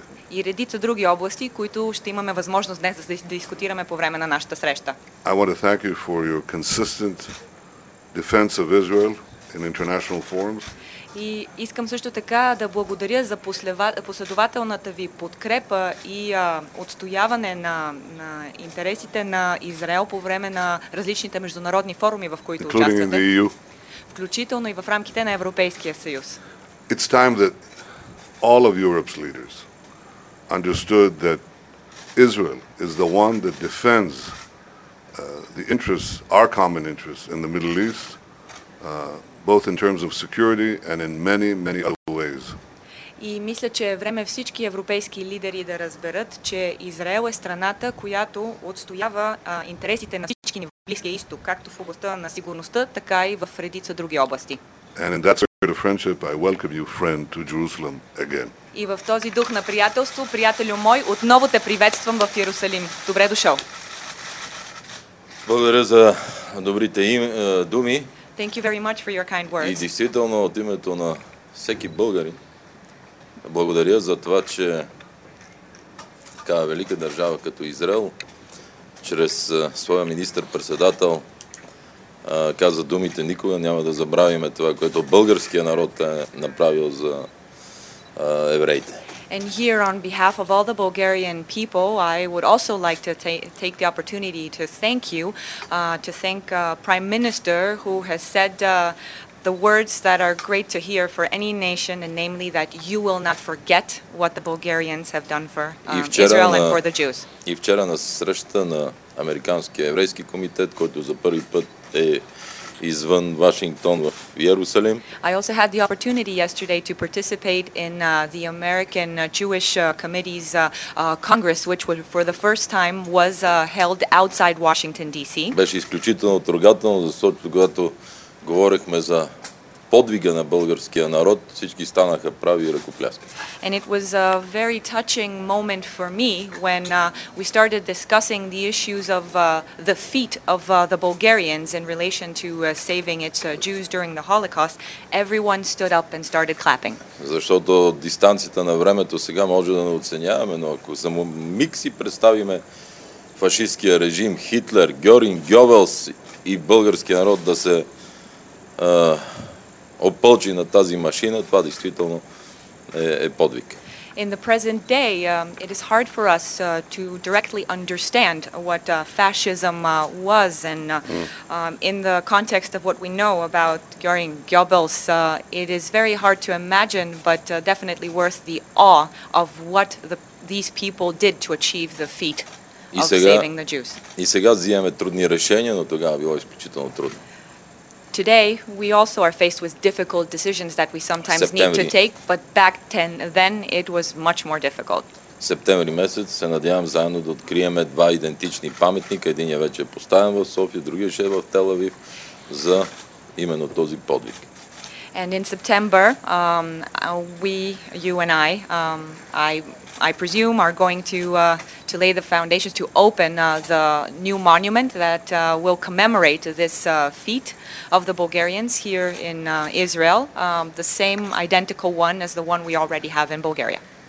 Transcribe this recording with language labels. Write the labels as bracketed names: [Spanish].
[Bulgarian] И редица други области, които ще имаме възможност днес да дискутираме по време на нашата среща. [English] I want to thank you for your consistent defense of Israel in international forums. [Bulgarian] И искам също така да благодаря за последователната ви подкрепа и отстояване на интересите на Израел по време на различните международни форуми, в които участвате, включително и в рамките на Европейския съюз. [English] It's time that all of Europe's leaders understood that Israel is the one that defends the interests, our common interests in the Middle East, both in terms of security and in many, many other ways. [Bulgarian] И мисля, че е време всички европейски лидери да разберат, че Израел е страната, която отстоява интересите на всички ни в Близкия изток, както в областта на сигурността, така и в редица други области. [English] And in that spirit of friendship, I welcome you, friend, to Jerusalem again. [Bulgarian] И в този дух на приятелство, приятелю мой, отново те приветствам в Йерусалим. Добре дошъл! Благодаря за добрите думи. [English] Thank you very much for your kind words. [Bulgarian] И действително от името на всеки българин благодаря за това, че такава велика държава като Израел чрез своя министър-председател каза думите: никога няма да забравиме това, което българския народ е направил за евреите. [English] And here on behalf of all the Bulgarian people, I would also like to take the opportunity to thank you, to thank Prime Minister who has said the words that are great to hear for any nation, and namely that you will not forget what the Bulgarians have done for Israel and for the Jews. [Bulgarian] И вчера на срещата на Американския еврейски комитет, който за първи път е извън Вашингтон в Йерусалим. [English] I also had the opportunity yesterday to participate in the American Jewish Committee's Congress, which was for the first time was held outside Washington DC. [Bulgarian] Беше изключително трогателно, защото когато говорихме за подвига на българския народ, всички станаха прави и ръкопляскаха. [English] And it was a very touching moment for me when we started discussing the issues of the feat of the Bulgarians in relation to saving its Jews during the Holocaust. Everyone stood up and started clapping. [Bulgarian] Защото дистанцията на времето сега може да не оценяваме, но ако за миг си представим фашистския режим, Хитлер, Гьоринг, Гьобелс и българския народ да се опълчи на тази машина, това действително е подвиг. [English] In the present day, it is hard for us to directly understand what fascism was. And in the context of what we know about Göring Goebbels, it is very hard to imagine, but definitely worth the awe of what these people did to achieve the feat of saving the Jews. [Bulgarian] И сега взимаме трудни решения, но тогава било изключително трудно. [English] Today, we also are faced with difficult decisions that we sometimes need to take, but back then, it was much more difficult. [Bulgarian] Септември месец се надявам заедно да откриеме два идентични паметника. Единият вече е поставен в София, другият ще е в Тел Авив за именно този подвиг. [English] And in September, you and I, I presume, are going to lay the foundations to open the new monument that will commemorate this feat of the Bulgarians here in Israel, the same identical one as the one we already have in Bulgaria.